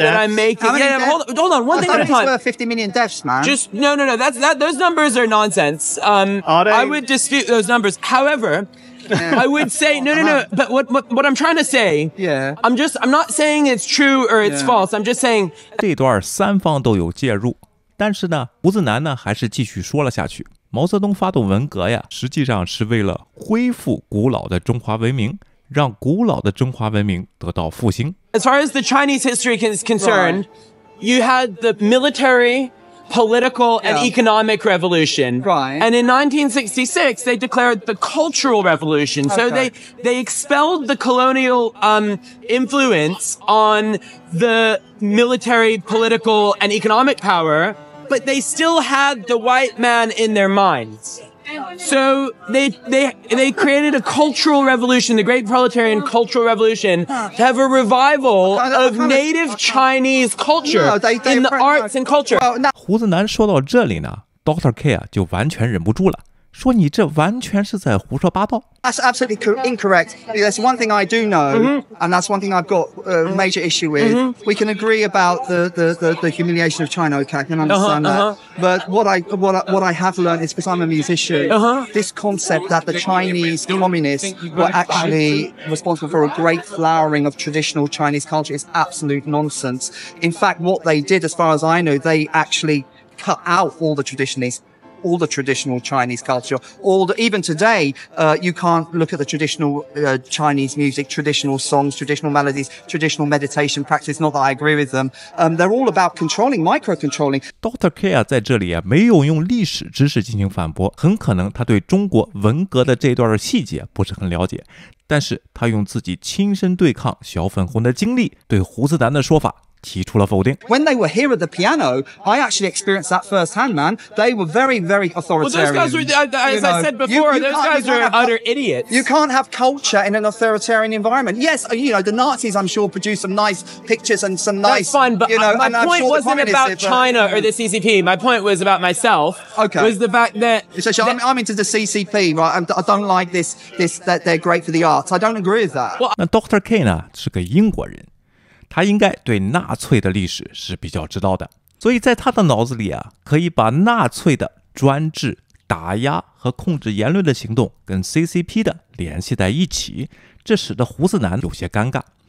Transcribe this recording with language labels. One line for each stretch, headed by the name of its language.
English: That I'm making. Hold on, one thing at a time. I thought it was worth 50 million deaths, man. Just, no, those numbers are nonsense. I would dispute those numbers. However... I would say, no, but what I'm trying to say, yeah. I'm not saying it's true or it's false, I'm just saying...
Chinese: 这段三方都有介入，但是呢，胡子男呢还是继续说了下去。毛泽东发动文革呀，实际上是为了恢复古老的中华文明，让古老的中华文明得到复兴。
English: As far as the Chinese history is concerned, you had the military, political and economic revolution. Right. And in 1966, they declared the Cultural Revolution. Okay. So they expelled the colonial, influence on the military, political, and economic power, but they still had the white man in their minds. So they created a cultural revolution, the Great Proletarian Cultural Revolution, to have a revival of native Chinese culture in the arts and culture.
Chinese: 胡子男说到这里呢 ，Dr.K 啊就完全忍不住了，说你这完全是在胡说八道。
English: That's absolutely incorrect. That's one thing I do know, and that's one thing I've got a major issue with. We can agree about the humiliation of China, okay? I can understand that. But what I have learned is, because I'm a musician, this concept that the Chinese communists were actually responsible for a great flowering of traditional Chinese culture is absolute nonsense. In fact, what they did, as far as I know, they actually cut out all the traditionists. All the traditional Chinese culture, even today, you can't look at the traditional, Chinese music, traditional songs, traditional melodies, traditional meditation practice. Not that I agree with them. They're all about controlling, micro-controlling.
Chinese: Dr. K 啊，在这里啊，没有用历史知识进行反驳，很可能他对中国文革的这段细节不是很了解，但是他用自己亲身对抗小粉红的经历，对胡子男的说法。提出了否定。
English: When they were here at the piano, I actually experienced that firsthand, man. They were very, very authoritarian. Well, those guys were, as I said before, utter idiots. You can't have culture in an authoritarian environment. Yes, you know, the Nazis, I'm sure, produced some nice pictures and some nice, that's fine, but you know, my point wasn't about China or the CCP. My point was about myself. Okay. Was the fact that... I'm into the CCP, right? I don't like this, that they're great for the arts. I don't agree with that.
Chinese: Well, 那 Dr. K 呢，是个英国人。他应该对纳粹的历史是比较知道的，所以在他的脑子里啊，可以把纳粹的专制、打压和控制言论的行动跟 CCP 的联系在一起，这使得胡子男有些尴尬。